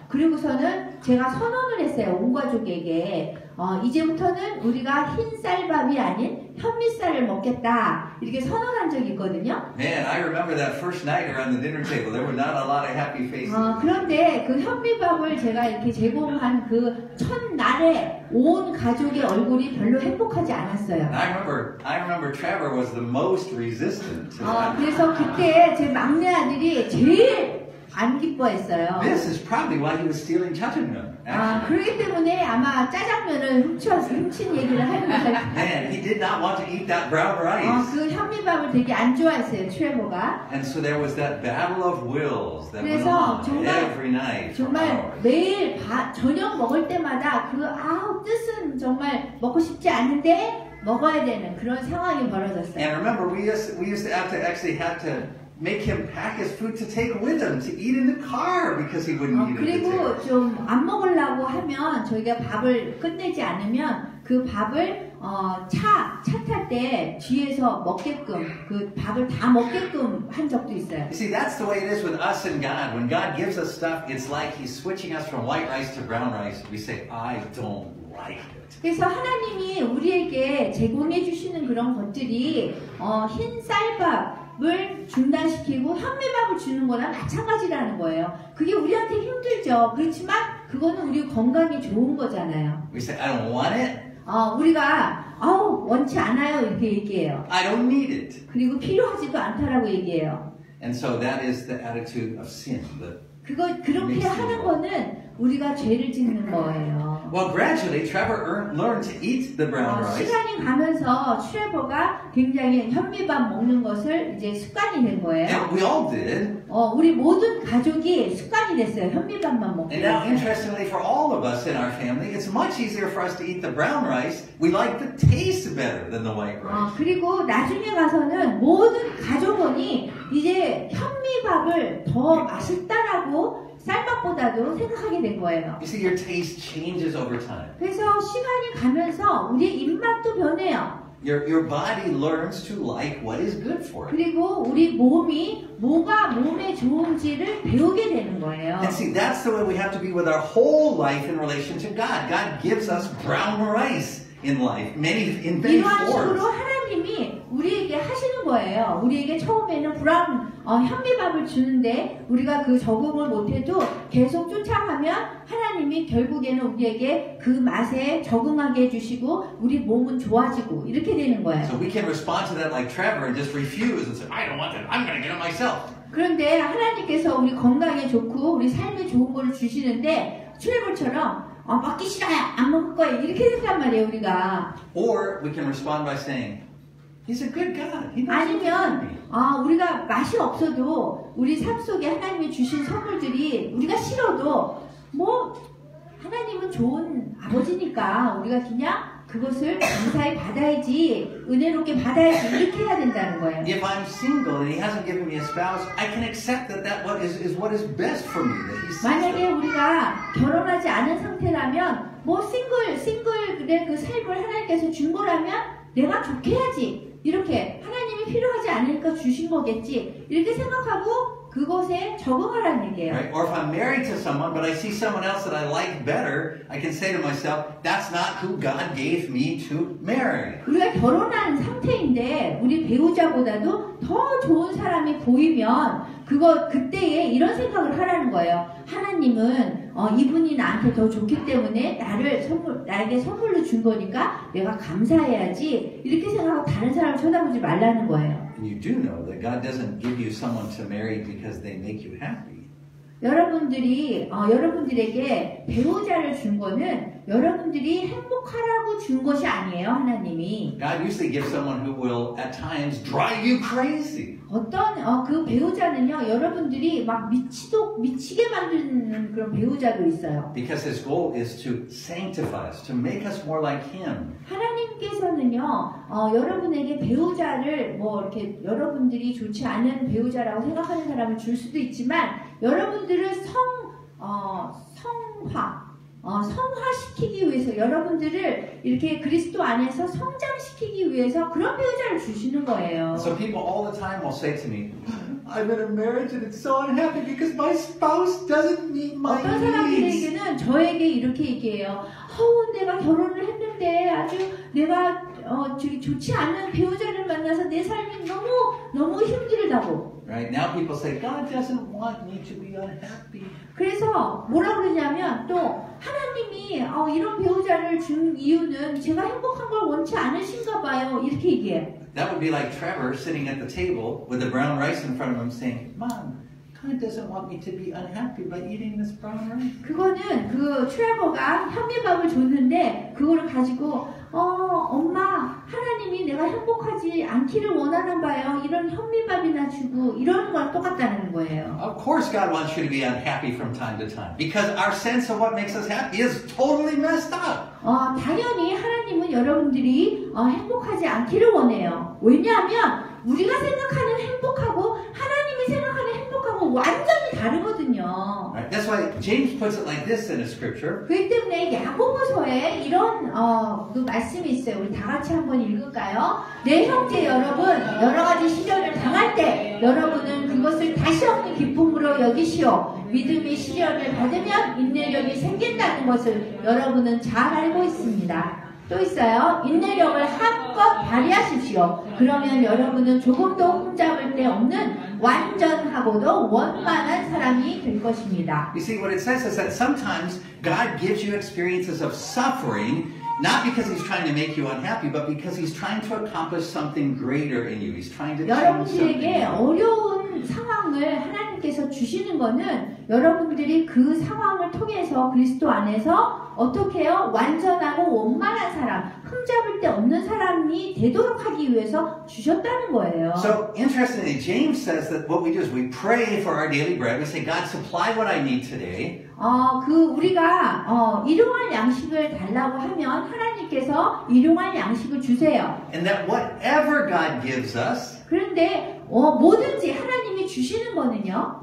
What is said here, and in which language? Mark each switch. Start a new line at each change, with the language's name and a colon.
Korean: 그리고서는 제가 선언을 했어요. 온 가족에게 이제부터는 우리가 흰쌀밥이 아닌 현미쌀을 먹겠다 이렇게 선언한 적이 있거든요.
English: Man, I remember that first night around the dinner table. There were not a lot of happy faces.
Korean: 그런데 그 현미밥을 제가 이렇게 제공한 그 첫날에 온 가족의 얼굴이 별로 행복하지 않았어요.
English: I remember Trevor was the most resistant to that.
Korean: 그래서 그때 제 막내 아들이 제일 안 기뻐했어요.
English: This is probably why he was stealing 짜장면.
Korean: 그렇기 때문에 아마 짜장면을 훔친 얘기를 하는 것 같아요.
English: Man, he did not want to eat that brown rice.
Korean: 그 현미밥을 되게 안 좋아했어요, 트레버가.
English: And so there was that battle of wills that went on every night.
Korean: 정말 매일 저녁 먹을 때마다 그 뜻은 정말 먹고 싶지 않은데 먹어야 되는 그런 상황이 벌어졌어요.
English: And remember, we used to have to make him pack his food to take with him to eat in the car because he wouldn't eat it.
Korean: 그리고 좀 안 먹으려고 하면 저희가 밥을 끝내지 않으면 그 밥을 차 탈 때 뒤에서 먹게끔 그 밥을 다 먹게끔 한 적도 있어요.
English: You see, that's the way it is with us and God. When God gives us stuff, it's like he's switching us from white rice to brown rice. We say, I don't like it.
Korean: 그래서 하나님이 우리에게 제공해 주시는 그런 것들이 흰 쌀밥 을 중단시키고 현미밥을 주는 거랑 마찬가지라는 거예요. 그게 우리한테 힘들죠. 그렇지만 그거는 우리 건강이 좋은 거잖아요.
English: We say, I don't want it.
Korean: 우리가 원치 않아요 이렇게 얘기해요.
English: I don't need it.
Korean: 그리고 필요하지도 않다라고 얘기해요.
English: And so that is the attitude of sin.
Korean: 그렇게 하는 거는 우리가 죄를 짓는 거예요.
English: Well, gradually, Trevor learned to eat the brown rice.
Korean: 시간이 가면서 트레버가 굉장히 현미밥 먹는 것을 이제 습관이 된 거예요.
English: And we all did.
Korean: 우리 모든 가족이 습관이 됐어요. 현미밥만 먹고.
English: And now, interestingly, for all of us in our family, it's much easier for us to eat the brown rice. We like the taste better than the white rice.
Korean: 그리고 나중에 가서는 모든 가족원이 이제 현미밥을 더 맛있다라고 쌀밥보다도 생각하게 된 거예요.
English: You see, your taste changes over time.
Korean: 그래서 시간이 가면서 우리의 입맛도 변해요.
English: Your body learns to like what is good for it.
Korean: 그리고 우리 몸이 뭐가 몸에 좋은지를 배우게 되는 거예요.
English: And see, that's the way we have to be with our whole life in relation to God. God gives us brown rice in life, in many forms.
Korean: 이런 식으로 하나님이 우리에게 하시는 거예요. 우리에게 처음에는 브라운 현미밥을 주는데 우리가 그 적응을 못해도 계속 쫓아가면 하나님이 결국에는 우리에게 그 맛에 적응하게 해주시고 우리 몸은 좋아지고 이렇게 되는 거예요.
English: So we can respond to that like Trevor and just refuse and say, I don't want that. I'm going to get it myself.
Korean: 그런데 하나님께서 우리 건강에 좋고 우리 삶에 좋은 걸 주시는데 트레버처럼 아, 먹기 싫어요. 안 먹을 거예요. 이렇게 생각한 말이에요, 우리가.
English: Or we can respond by saying, He's a good God. He
Korean: 아니면 아, 우리가 맛이 없어도 우리 삶 속에 하나님이 주신 선물들이 우리가 싫어도 뭐 하나님은 좋은 아버지니까 우리가 그냥 그것을 감사히 받아야지 은혜롭게 받아야지 이렇게 해야 된다는 거예요.
English: If I'm single and he hasn't given me a spouse, I can accept that that what is what is best for me.
Korean: 만약에 우리가 결혼하지 않은 상태라면 뭐 싱글의 그 삶을 하나님께서 준 거라면 내가 좋게 해야지 이렇게 하나님이 필요하지 않으니까 주신 거겠지 이렇게 생각하고 그것에 적응하라는 얘기예요.
English: Right. Or if I'm married to someone, but I see someone else that I like better, I can say to myself, that's not who God gave me to marry.
Korean: 우리가 결혼한 상태인데 우리 배우자보다도 더 좋은 사람이 보이면 그거 그때에 이런 생각을 하라는 거예요. 하나님은 어, 이분이 나한테 더 좋기 때문에 나를 선물 나에게 선물로 준 거니까 내가 감사해야지 이렇게 생각하고 다른 사람을 쳐다보지 말라는 거예요.
English: And you do know that God doesn't give you someone to marry because they make you happy.
Korean: 여러분들이 어, 여러분들에게 배우자를 준 거는 여러분들이 행복하라고 준 것이 아니에요, 하나님이.
English: God usually gives someone who will at times drive you crazy.
Korean: 어떤 어, 그 배우자는요, 여러분들이 막 미치게 만드는 그런 배우자도 있어요.
English: Because his goal is to sanctify us, to make us more like him.
Korean: 하나님께서는요, 어, 여러분에게 배우자를 뭐 이렇게 여러분들이 좋지 않은 배우자라고 생각하는 사람을 줄 수도 있지만 여러분들을 성화시키기 위해서 여러분들을 이렇게 그리스도 안에서 성장시키기 위해서 그런 배우자를 주시는 거예요.
English: So people all the time will say to me, I'm in a marriage and it's so unhappy because my spouse doesn't meet my needs.
Korean: 어떤 사람들에게는 저에게 이렇게 얘기해요. 허우 내가 결혼을 했는데 아주 내가 어, 저기 좋지 않은 배우자를 만나서 내 삶이 너무 너무 힘들다고.
English: Right now people say God doesn't want me to be unhappy.
Korean: 그래서 뭐라고 그러냐면 또 하나님이 어, 이런 배우자를 준 이유는 제가 행복한 걸 원치 않으신가 봐요. 이렇게 얘기해.
English: That would be like Trevor sitting at the table with the brown rice in front of him saying, "Mom, God doesn't want me to be unhappy by eating this brown rice."
Korean: 그거는 그 트레버가 현미밥을 줬는데 그거를 가지고 어, 엄마, 하나님이 내가 행복하지 않기를 원하는 바요. 이런 현미밥이나 주고 이런 거랑 똑같다는 거예요.
English: Of course God wants you to be unhappy from time to time because our sense of what makes us happy is totally messed up.
Korean: 어, 당연히 하나님은 여러분들이 어, 행복하지 않기를 원해요. 왜냐하면 우리가 생각하는 행복하고 하나님이 생각하는 행복하고 완전히 다르거든요. Right.
English: That's why James puts it like this in his scripture.
Korean: 그 때문에 야고보서에 이런 어, 그 말씀이 있어요. 우리 다 같이 한번 읽을까요? 내 형제 여러분, 여러 가지 시련을 당할 때 여러분은 그것을 다시 없는 기쁨으로 여기시오. 믿음이 시련을 받으면 인내력이 생긴다는 것을 여러분은 잘 알고 있습니다. 또 있어요. 인내력을 한껏 발휘하십시오. 그러면 여러분은 조금도 흠잡을 데 없는 완전하고도 원만한 사람이 될 것입니다.
English: You see, what it says is that sometimes God gives you experiences of suffering not because he's trying to make you unhappy but because he's trying to accomplish something greater in you. He's trying to change something.
Korean: 여러분에게 어려운 상황을 하나님께서 주시는 것은 여러분들이 그 상황을 통해서 그리스도 안에서 어떻게요? 완전하고 원만한 사람, 흠잡을 데 없는 사람이 되도록 하기 위해서 주셨다는 거예요.
English: So interestingly, James says that what we do is we pray for our daily bread. We say, God, supply what I need today.
Korean: 어, 그 우리가 어, 일용할 양식을 달라고 하면 하나님께서 일용할 양식을 주세요.
English: And that whatever God gives us.
Korean: 그런데 어, 뭐든지 하나님이 주시는 거는요.